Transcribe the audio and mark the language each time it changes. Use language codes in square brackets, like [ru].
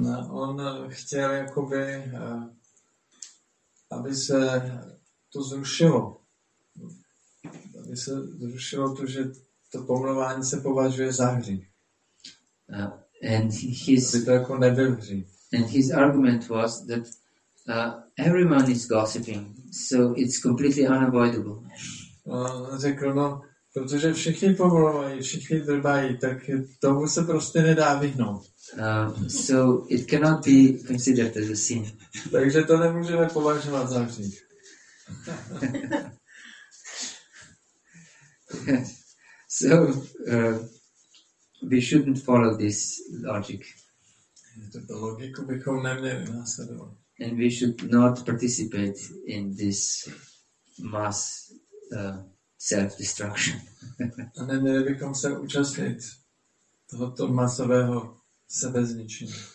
[cs] On chtěl jakoby, aby se to zrušilo. Aby se zrušilo to, že to pomlouvání se považuje za hřích. Aby to jako nebyl hřích. [en] And his argument was that everyone is gossiping, so it's completely unavoidable. [cs] On řekl, no, protože všichni pomlouvají, všichni drbají, tak tomu se prostě nedá vyhnout. [en] So it cannot be considered as a sin. [cs] Takže to nemůžeme považovat za hřích. [en] So we shouldn't follow this logic. [cs] Tuto logiku bychom neměli následovat. [en] And we should not participate in this mass self-destruction. [cs] A neměli bychom se účastnit tohoto masového sebezničení.